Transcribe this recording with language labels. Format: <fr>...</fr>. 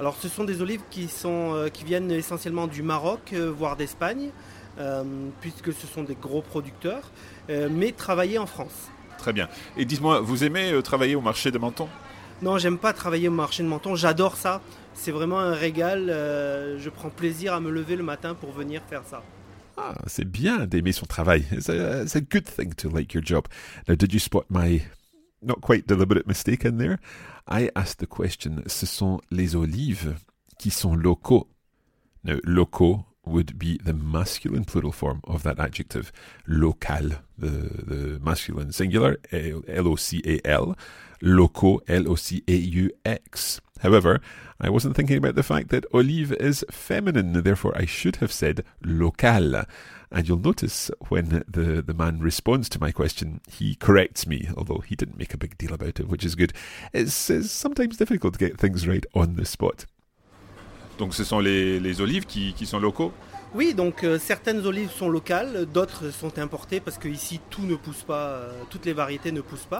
<fr>Alors ce sont des olives qui viennent essentiellement du Maroc, voire d'Espagne, puisque ce sont des gros producteurs, mais travaillées en France. Très bien. Et dites-moi, vous aimez travailler au marché de Menton ? Non, j'aime pas travailler au marché de Menton, j'adore ça. C'est vraiment un régal, je prends plaisir à me lever le matin pour venir faire ça. Ah, c'est bien d'aimer son travail.</fr> <en>It's a good thing to like your job. Now, did you spot my not quite deliberate mistake in there? I asked the question,</en> <fr>ce sont les olives qui sont locaux.</fr> <en>Now, locaux would be the masculine plural form of that adjective. Local, the masculine singular, L-O-C-A-L. Locaux, L-O-C-A-U-X. However, I wasn't thinking about the fact that olive is feminine, therefore I should have said local. And you'll notice when the man responds to my question, he corrects me, although he didn't make a big deal about it, which is good. It's sometimes difficult to get things right on the spot.</en> <fr>Donc ce sont les olives qui sont locaux ? Oui, donc certaines olives sont locales, d'autres sont importées parce qu'ici tout ne pousse pas, toutes les variétés ne poussent pas.</fr>